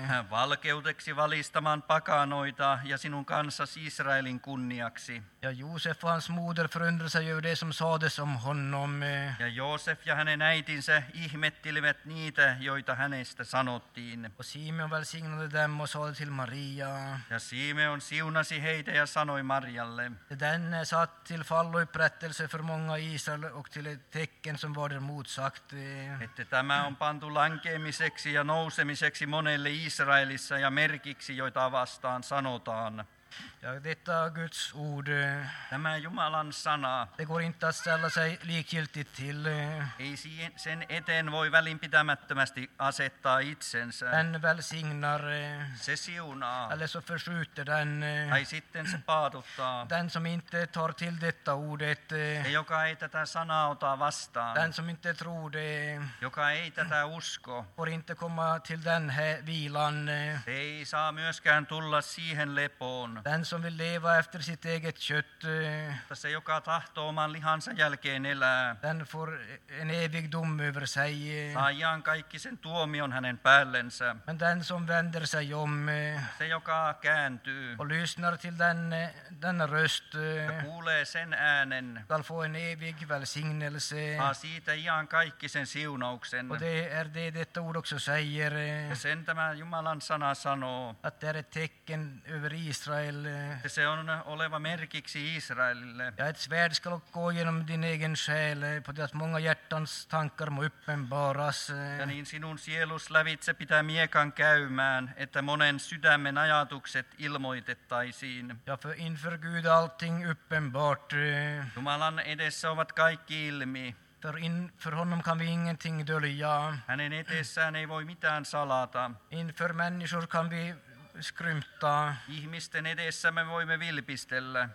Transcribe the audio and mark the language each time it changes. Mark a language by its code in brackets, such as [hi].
[fi] Valkeudeksi valistamaan pakanoita ja sinun kansas Israelin kunniaksi. [sv] Ja Josef och hans moder förundrar sig över det som sades om honom. [fi] Ja Josef ja hänen äitinsä ihmettelivät niitä, joita hänestä sanottiin. [sv] Och Simeon välsignade dem och sade till Maria. [fi] Ja Simeon siunasi heitä ja sanoi Marjalle. [sv] Den satt till fall och upprättelse för många Israel och till ett tecken som var det motsagt. [fi] Että tämä on pantu lankemiseksi ja nousemiseksi monelle Israelissa ja merkiksi, joita vastaan sanotaan. [sv] Ja detta Guds ord. [fi] Tämä Jumalan sana. [sv] Det går inte att ställa sig likgiltigt till. [fi] Ei sen eteen voi välinpitämättömästi asettaa itsensä. [sv] Den välsignar. [fi] Se siunaa. [sv] Eller så förskjuter den. [fi] Tai sitten se paaduttaa. [sv] Den som inte tar till detta ordet. [fi] Se, joka ei tätä sanaa ota vastaan. [sv] Den som inte tror det. [fi] Joka ei tätä usko. [sv] Får inte komma till den vilan. [fi] Se ei saa myöskään tulla siihen lepoon. [sv] Den som vill leva efter sitt eget kött. [fi] Tässä se, joka tahtoo oman lihansa jälkeen elää. [sv] Den får en evig dom över sig. [fi] Saa iankaikkisen tuomion hänen päällensä. [sv] Men den som vänder sig om. [fi] Se, joka kääntyy. [sv] Och lyssnar till den röst. [fi] Ja kuulee sen äänen. [sv] Skall få en evig välsignelse. [fi] Saa siitä iankaikkisen siunauksen. [sv] Och det är det detta ord också säger. [fi] Ja sen tämä Jumalan sana sanoo. [sv] Att det är ett tecken över Israel. [fi] Ja se on oleva merkiksi Israelille. [sv] Ja ett svärd ska gå genom din egen själ på det att många hjärtans tankar må uppenbaras. [fi] Ja niin sinun sielus lävitse pitää miekan käymään, että monen sydämen ajatukset ilmoitettaisiin. [sv] Ja för inför Gud allting uppenbart. [fi] Jumalan edessä ovat kaikki ilmi. [sv] För honom kan vi ingenting dölja. [fi] Hänen eteessään ei voi mitään salata. [sv] Inför människor kan vi skrymptaa. [fi] Ihmisten edessä me voimme vilpistellä.